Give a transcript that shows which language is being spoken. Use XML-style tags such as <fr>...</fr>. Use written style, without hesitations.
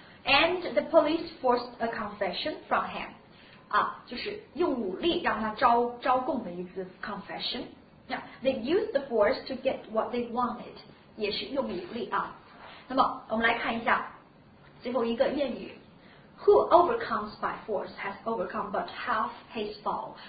<en>And the police forced a confession from him.</en> <zh>啊，就是用武力让他招供的意思 confession.</zh> <en>Now, they used the force to get what they wanted.</en> <zh>也是用武力啊。那么我们来看一下最后一个谚语。</zh> <en>Who overcomes by force has overcome but half his foe.</en>